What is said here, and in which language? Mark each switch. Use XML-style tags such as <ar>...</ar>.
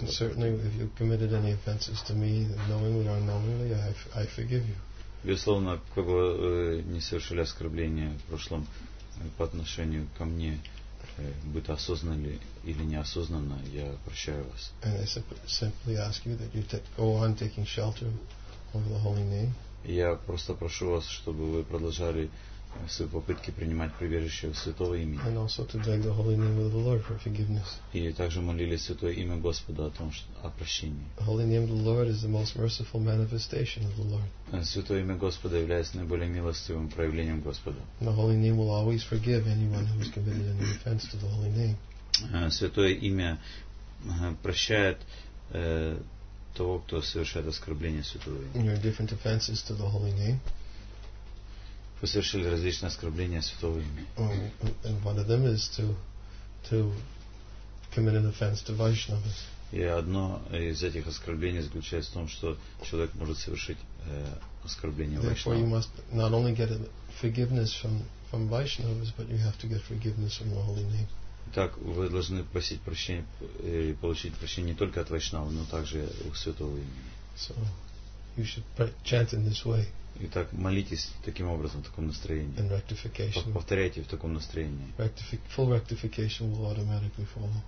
<en>Certainly, if you committed any offenses to me knowingly or unknowingly, I forgive you.</en> <ru>Безусловно, как бы вы не совершили оскорбления в прошлом по отношению ко мне, будь то осознанно или неосознанно, я прощаю вас.</ru> <en>And I simply ask you that you go on taking shelter of the holy name.</en> <ru>Я просто прошу вас, чтобы вы продолжали свои попытки принимать прибежище святого имени.</ru> <en>And also to beg the holy name of the Lord for forgiveness.</en> <ru>И также молили святое имя Господа о том, о прощении.</ru> <en>The holy name of the Lord is the most merciful manifestation of the Lord.</en> <ru>Святое имя Господа является наиболее милостивым проявлением Господа.</ru> <en>The holy name will always forgive anyone who has committed any offense to the holy name.</en> <ru>Святое имя прощает того, кто совершает оскорбление святого имени.</ru> <en>Your different offenses to the holy name.</en> <ru>Вы совершили различные оскорбления святого имени.</ru> <en>And one of them is to commit an offense to Vaishnavas.</en> <ru>И одно из этих оскорблений заключается в том, что человек может совершить оскорбление Вайшнавам.</ru> <en>Therefore, you must not only get forgiveness from Vaishnavas, but you have to get forgiveness from the holy name.</en> <ru>Так вы должны просить прощения и получить прощение не только от Вайшнава, но также у святого имени.</ru> <en>So you should chant in this way.</en> <ru>Итак, молитесь таким образом, в таком настроении.</ru> <en>And rectification.</en> <ru>Повторяйте в таком настроении.</ru> <en>Full rectification will automatically follow.</en>